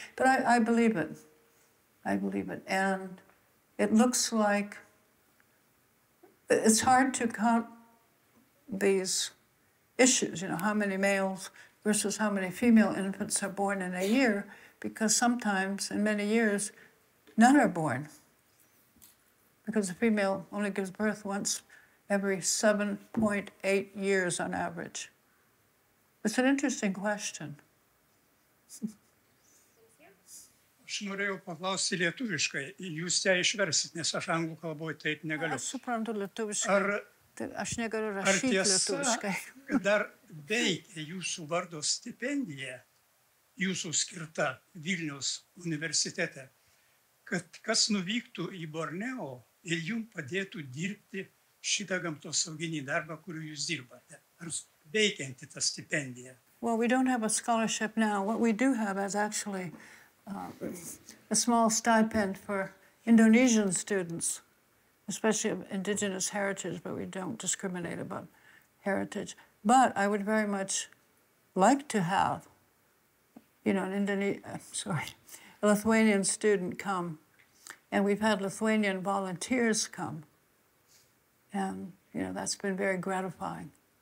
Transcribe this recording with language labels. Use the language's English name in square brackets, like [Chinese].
[English] But I believe it. I believe it. And it looks like it's hard to count these issues, you know, how many males versus how many female infants are born in a year, because sometimes, in many years, none are born. Because a female only gives birth once every 7.8 years on average. It's an interesting question. [Lithuanian] Aš norėjau paklausti lietuviškai. Jūs ją išversit, nes aš anglų kalboje taip negaliu. Aš suprantu lietuviškai. Ar, aš negaliu rašyti lietuviškai. Dar veikia jūsų vardo stipendija, jūsų skirta Vilniaus universitete, kad kas nuvyktų į Borneo ir jums padėtų dirbti šitą gamtos sauginį darbą, kurį jūs dirbate? Ar veikianti ta stipendija? [English] Well, we don't have a scholarship now. What we do have is actually a small stipend for Indonesian students, especially of indigenous heritage, but we don't discriminate about heritage. But I would very much like to have, you know, a Lithuanian student come, and we've had Lithuanian volunteers come, and, you know, that's been very gratifying.